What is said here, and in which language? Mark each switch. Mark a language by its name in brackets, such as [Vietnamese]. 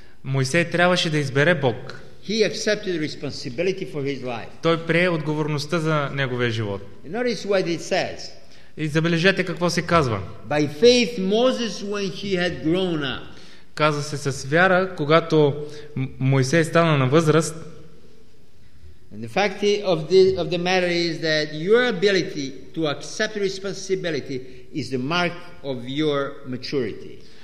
[Bulgarian] Мойсей трябваше да избере Бог. [English] He accepted responsibility for his life. [Bulgarian] Той прие отговорността за неговия живот. [English] Notice what it says. [Bulgarian] И забележете какво се казва. [English] By faith Moses when he had grown up. [Bulgarian] Каза се с вяра, когато Мойсей стана на възраст. [English] And the fact of the matter is that your ability to accept responsibility is the mark of your maturity.